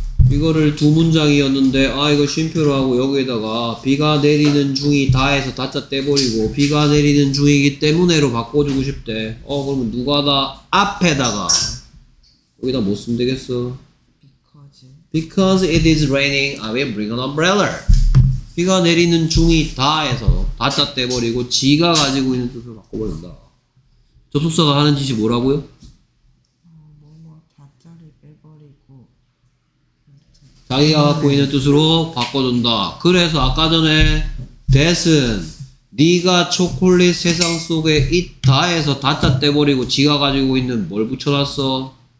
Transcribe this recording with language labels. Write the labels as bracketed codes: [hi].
[ko] 이거를 두 문장이었는데 아 이거 쉼표로 하고 여기에다가 비가 내리는 중이 다 해서 다짜 떼버리고 비가 내리는 중이기 때문에로 바꿔주고 싶대. 어 그러면 누가 다 앞에다가 여기다 못 쓰면 되겠어. [en] Because it is raining, I will bring an umbrella. [ko] 비가 내리는 중이 다 해서 다짜 떼버리고 지가 가지고 있는 뜻으로 바꿔버린다. 접속사가 하는 짓이 뭐라고요? 뭐뭐 다짜를 빼버리고 자기가 갖고 있는 뜻으로 바꿔준다. 그래서 아까 전에 that은 네가 초콜릿 세상 속에 있다 해서 다짜 떼버리고 지가 가지고 있는 뭘 붙여놨어?